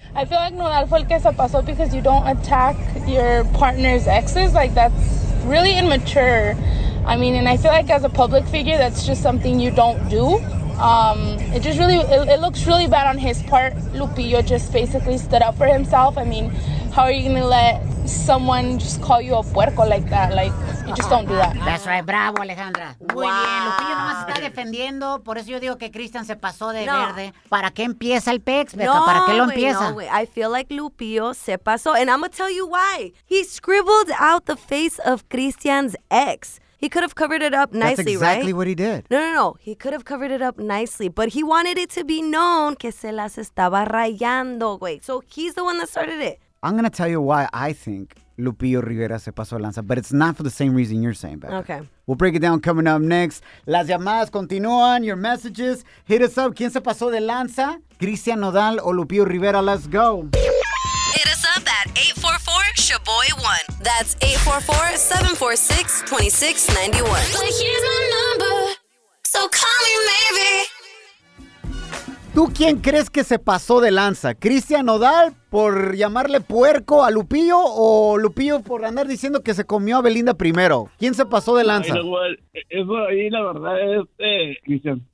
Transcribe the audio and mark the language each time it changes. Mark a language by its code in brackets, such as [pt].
[en] I feel like Nodal [es] fue el que se pasó [en] because you don't attack your partner's exes. Like, that's really immature. I mean, and I feel like as a public figure, that's just something you don't do. It looks really bad on his part. Lupillo just basically stood up for himself. I mean, how are you gonna let someone just call you a puerco like that? Like, you just don't do that. That's right. Bravo, Alejandra. Wow. Muy bien. [es] Lupillo nomás está defendiendo. Por eso yo digo que Christian se pasó de verde. ¿Para qué empieza el pex, Beca? ¿Para qué lo empieza? [en] No, wait. I feel like Lupillo [es] se pasó. [en] And I'm gonna tell you why. He scribbled out the face of Christian's ex. He could have covered it up nicely, right? That's exactly right? What he did. No. He could have covered it up nicely, but he wanted it to be known [es] que se las estaba rayando, güey. [en] So he's the one that started it. I'm going to tell you why I think Lupillo Rivera [es] se pasó lanza, [en] but it's not for the same reason you're saying, Becca. Okay. We'll break it down coming up next. [es] Las llamadas continúan. [en] Your messages. Hit us up. [es] ¿Quién se pasó de lanza? [en] Cristian Nodal o Lupillo Rivera. Let's go. Hit us up at 844-SHABOY1. That's 844-746-2691. But here's my number, so call me maybe. [es] ¿Tú quién crees que se pasó de lanza? ¿Cristian Nodal por llamarle puerco a Lupillo o Lupillo por andar diciendo que se comió a Belinda primero? ¿Quién se pasó de lanza? Eso ahí la verdad es Cristian.